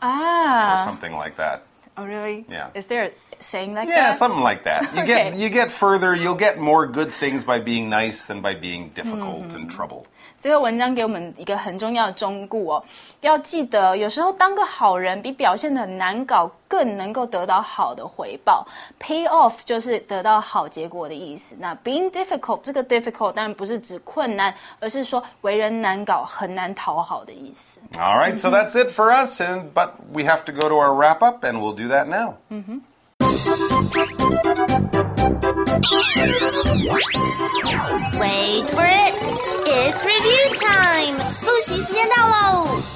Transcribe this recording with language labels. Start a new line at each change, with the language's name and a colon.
English: Ah. Or something like that. Oh, really? Yeah. Is there a saying like that? Yeah, something like that. You get further, you'll get more good things by being nice than by being difficult and trouble.
Chinese: 这个文章给我们一个很重要的忠固哦，要记得有时候当个好人比表现得难搞更能够得到好的回报。
English: Pay off
Chinese: 就是得到好结果的意思。那
English: being difficult
Chinese: 这个 difficult 当然不是指困难，而是说为人难搞很难讨好的意思。
English: All right, so that's it for us, but we have to go to our wrap up and we'll do that now. Wait for it. It's review time.
Chinese: 复习时间到喽。